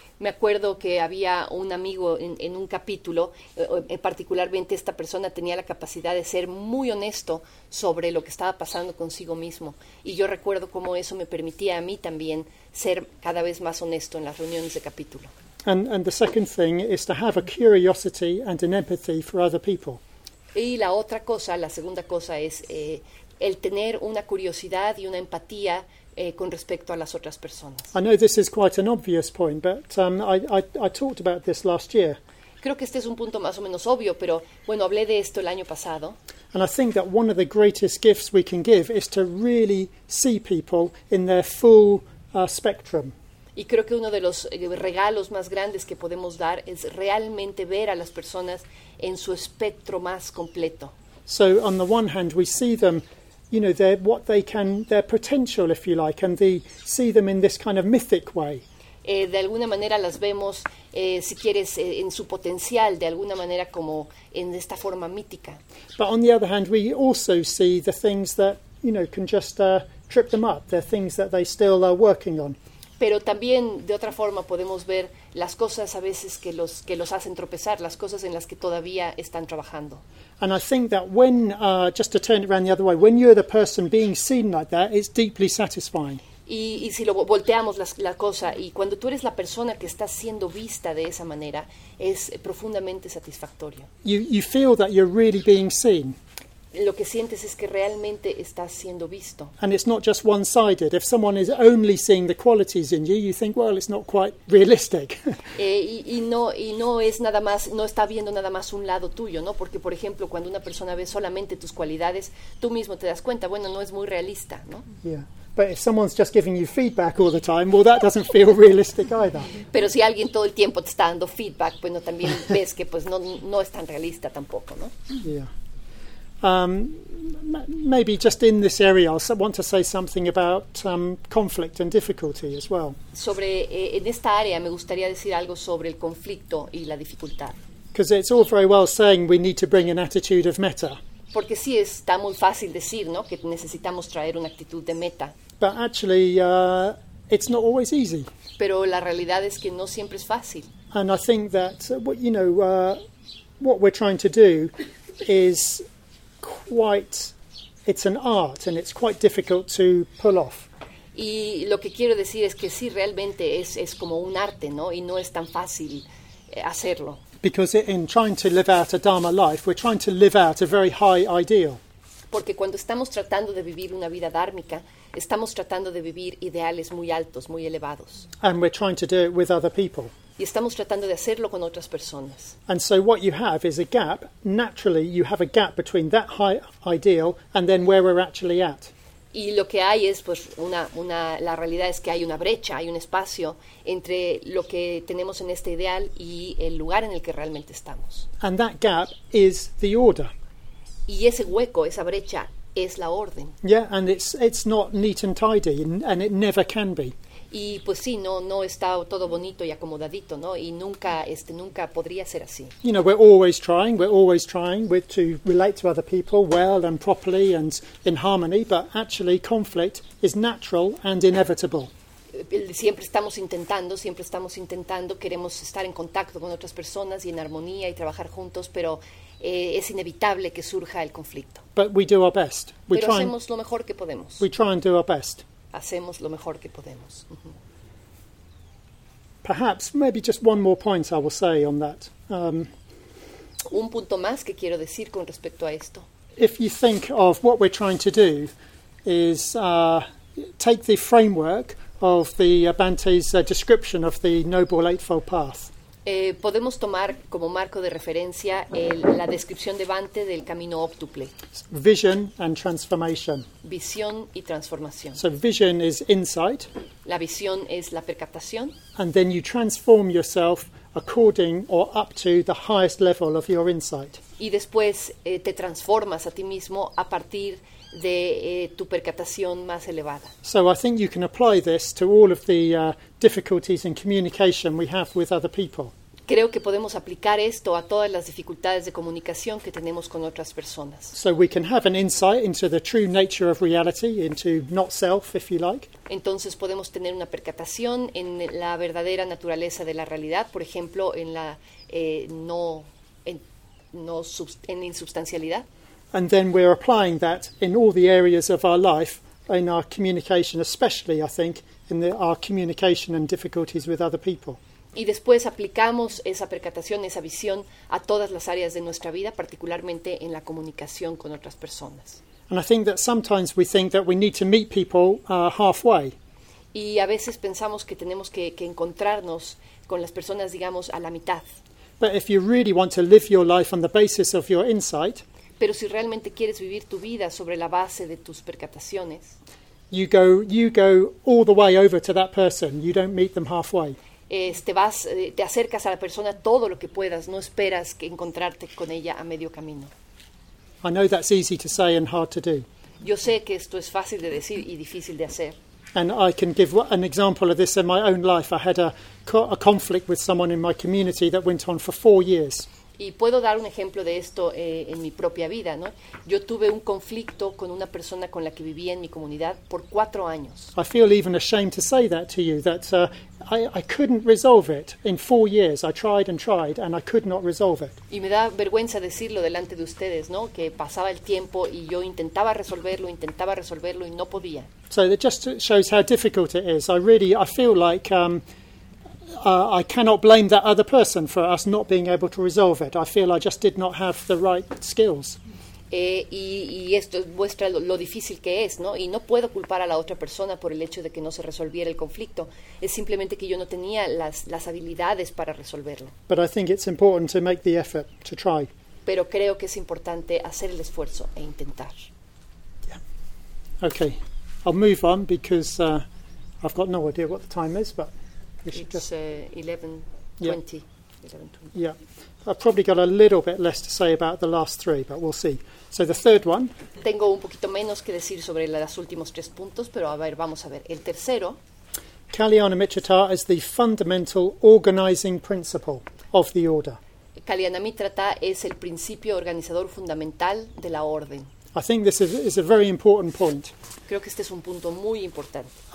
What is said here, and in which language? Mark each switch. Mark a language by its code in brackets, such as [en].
[es] Me acuerdo que había un amigo en un capítulo, particularmente esta persona tenía la capacidad de ser muy honesto sobre lo que estaba pasando consigo mismo. Y yo recuerdo cómo eso me permitía a mí también ser cada vez más honesto en las reuniones de capítulo. [en] And the second thing is to have a curiosity and an empathy for other people. [es] Y la otra cosa, la segunda cosa es el tener una curiosidad y una empatía con respecto a las otras personas. [en] I know this is quite an obvious point, but I talked about this last year. [es] Creo que este es un punto más o menos obvio, pero bueno, hablé de esto el año pasado. [en] And I think that one of the greatest gifts we can give is to really see people in their full spectrum. [es] Y creo que uno de los regalos más grandes que podemos dar es realmente ver a las personas en su espectro más completo. [en] So on the one hand, we see them, you know, their what they can, their potential, if you like, and they see them in this kind of mythic way. [es] De alguna manera las vemos, si quieres, en su potencial, de alguna manera como en esta forma mítica. [en] But on the other hand, we also see the things that, you know, can just trip them up. They're things that they still are working on. [es] Pero también de otra forma podemos ver las cosas a veces que los hacen tropezar, las cosas en las que todavía están trabajando. [en] And I think that when, just to turn it around the other way, when you're the person being seen like that, it's deeply satisfying. [es] Y si lo volteamos la cosa, y cuando tú eres la persona que está siendo vista de esa manera, es profundamente satisfactorio. [en] You feel that you're really being seen. [es] Lo que sientes es que realmente estás siendo visto. [en] And it's not just one-sided. If someone is only seeing the qualities in you, you think, well, it's not quite realistic. [es] No está viendo nada más un lado tuyo, ¿no? Porque, por ejemplo, cuando una persona ve solamente tus cualidades, tú mismo te das cuenta, bueno, no es muy realista, ¿no? [en] Yeah. But if someone's just giving you feedback all the time, well, that doesn't feel realistic either. [es] Pero si alguien todo el tiempo te está dando feedback, bueno, también ves que pues no es tan realista tampoco, ¿no? [en] Yeah. Maybe just in this area, I want to say something about conflict and difficulty as well. [es] Sobre en esta área me gustaría decir algo sobre el conflicto y la dificultad. [en] Because it's all very well saying we need to bring an attitude of metta. [es] Porque sí está muy fácil decir, ¿no? Que necesitamos traer una actitud de metta. [en] But actually, it's not always easy. [es] Pero la realidad es que no siempre es fácil. [en] And I think that you know what we're trying to do is quite, it's an art, and it's quite difficult to pull off. [es] Y lo que quiero decir es que sí, realmente es como un arte, ¿no? Y no es tan fácil hacerlo. [en] Because in trying to live out a Dharma life, we're trying to live out a very high ideal. [es] Porque cuando estamos tratando de vivir una vida dármica, estamos tratando de vivir ideales muy altos, muy elevados. [en] And we're trying to do it with other people. [es] Y estamos tratando de hacerlo con otras personas. [en] And so what you have is a gap. Naturally, you have a gap between that high ideal and then where we're actually at. [es] Y lo que hay es, pues, la realidad es que hay una brecha, hay un espacio entre lo que tenemos en este ideal y el lugar en el que realmente estamos. [en] And that gap is the order. [es] Y ese hueco, esa brecha, es la orden. [en] Yeah, and it's not neat and tidy, and it never can be. [es] Y pues sí, no está todo bonito y acomodadito, ¿no? Y nunca podría ser así. [en] You know, we're always trying to relate to other people well and properly and in harmony, but actually conflict is natural and inevitable. [es] Siempre estamos intentando, queremos estar en contacto con otras personas y en armonía y trabajar juntos, pero es inevitable que surja el conflicto. [en] But we do our best. [es] Hacemos lo mejor que podemos. [en] We try and do our best. [es] Hacemos lo mejor que podemos. [en] Perhaps, maybe just one more point I will say on that. [es] Un punto más que quiero decir con respecto a esto. [en] If you think of what we're trying to do is take the framework of the Bhante's description of the Noble Eightfold Path. [es] Podemos tomar como marco de referencia la descripción de Bhante del camino óctuple. [en] Vision and transformation. [es] Visión y transformación. [en] So vision is insight. [es] La visión es la percatación. [en] And then you transform yourself according or up to the highest level of your insight. [es] Y después te transformas a ti mismo a partir de tu percatación más elevada. [en] So I think you can apply this to all of the difficulties in communication we have with other people. [es] Creo que podemos aplicar esto a todas las dificultades de comunicación que tenemos con otras personas. [en] So we can have an insight into the true nature of reality, into not self, if you like. [es] Entonces podemos tener una percatación en la verdadera naturaleza de la realidad, por ejemplo, en la en insubstancialidad. [en] And then we're applying that in all the areas of our life, in our communication, especially, I think, in our communication and difficulties with other people. [es] Y después aplicamos esa percatación, esa visión a todas las áreas de nuestra vida, particularmente en la comunicación con otras personas. [en] And I think that sometimes we think that we need to meet people halfway. [es] Y a veces pensamos que tenemos que encontrarnos con las personas, digamos, a la mitad. [en] But if you really want to live your life on the basis of your insight, [es] pero si realmente quieres vivir tu vida sobre la base de tus percataciones, [en] you go all the way over to that person. You don't meet them halfway. [es] Te acercas a la persona todo lo que puedas, no esperas que encontrarte con ella a medio camino. [en] I know that's easy to say and hard to do. [es] Yo sé que esto es fácil de decir y difícil de hacer. [en] And I can give an example of this in my own life. I had a conflict with someone in my community that went on for 4 years. [es] Y puedo dar un ejemplo de esto en mi propia vida, ¿no? Yo tuve un conflicto con una persona con la que vivía en mi comunidad por 4 años. [en] I feel even ashamed to say that to you, that I couldn't resolve it in 4 years. I tried and tried and I could not resolve it. [es] Y me da vergüenza decirlo delante de ustedes, ¿no? Que pasaba el tiempo y yo intentaba resolverlo y no podía. [en] So it just shows how difficult it is. I feel like I cannot blame that other person for us not being able to resolve it. I feel I just did not have the right skills. [es] Y esto muestra lo difícil que es, ¿no? Y no puedo culpar a la otra persona por el hecho de que no se resolviera el conflicto. Es simplemente que yo no tenía las habilidades para resolverlo. [en] But I think it's important to make the effort to try. [es] Pero creo que es importante hacer el esfuerzo e intentar. [en] Yeah. Okay. I'll move on because I've got no idea what the time is, but it's 11:20. Yeah. Yeah, I've probably got a little bit less to say about the last three, but we'll see. So the third one. [es] Tengo un poquito menos que decir sobre los últimos tres puntos, pero a ver, vamos a ver. El tercero. [en] Kalyanamitra is the fundamental organizing principle of the order. [es] Kalyanamitra es el principio organizador fundamental de la orden. [en] I think this is a very important point. [es] Creo que este es un punto muy importante.